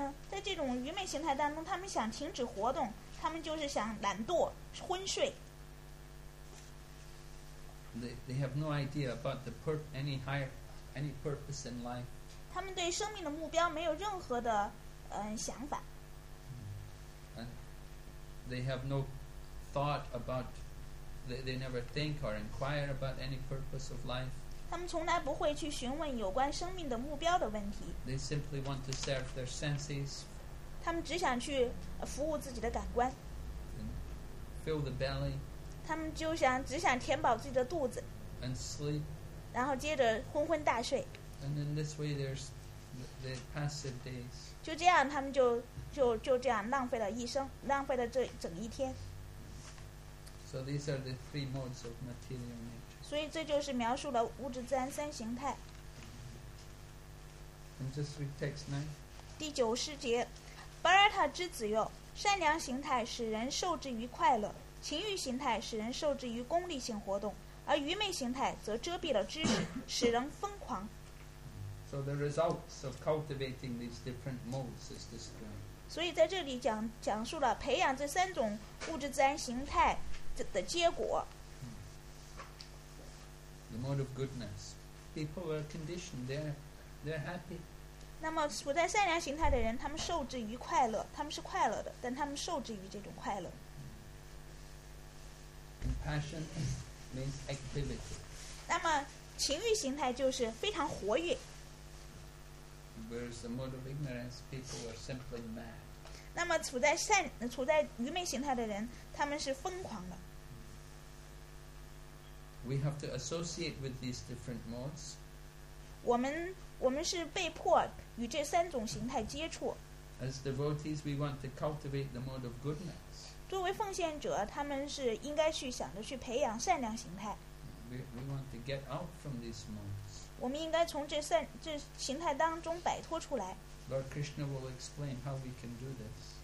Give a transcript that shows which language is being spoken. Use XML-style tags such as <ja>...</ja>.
<zh>在这种愚昧形态当中，他们想停止活动，他们就是想懒惰、昏睡。</zh> <en>They have no idea about the any purpose in life.</en> <zh>他们对生命的目标没有任何的想法。</zh> <en>They have no thought about. They never think or inquire about any purpose of life.</en> <zh>他们从来不会去询问有关生命的目标的问题。</zh> <en>They simply want to serve their senses.</en> <zh>他们只想去服务自己的感官。</zh> <en>Fill the belly.</en> <zh>他们就想只想填饱自己的肚子。</zh> <en>And sleep.</en> <zh>然后接着昏昏大睡。</zh> <en>And in this way, there's the passive days.</en> <zh>就这样，他们就这样浪费了一生，浪费了这整一天。</zh> <en>So these are the three modes of material nature.</en> <zh>所以这就是描述了物质自然三形态。</zh> <en>And just read text 9.</en> <zh>第九十节，巴拉塔之子哟，善良形态使人受制于快乐，情欲形态使人受制于功利性活动，而愚昧形态则遮蔽了知识，使人疯狂。</zh> <en>So the results of cultivating these different modes is described.</en> <zh>所以在这里讲述了培养这三种物质自然形态的结果。</zh> <en>The mode of goodness. People are conditioned, they're happy.</en> <zh>那么处在善良形态的人，他们受制于快乐，他们是快乐的，但他们受制于这种快乐。</zh> <en>Passion means activity.</en> <zh>那么情欲形态就是非常活跃。</zh> <en>Whereas the mode of ignorance, people are simply mad.</en> <zh>那么处在愚昧形态的人，他们是疯狂的。</zh> <en>We have to associate with these different modes.</en> <zh>我们是被迫与这三种形态接触。</zh> <en>As devotees, we want to cultivate the mode of goodness.</en> <zh>作为奉献者，他们是应该去想着去培养善良形态。</zh> <en>We want to get out from these modes.</en> <zh>我们应该从这形态当中摆脱出来。</zh> <en>Lord Krishna will explain how we can do this.</en>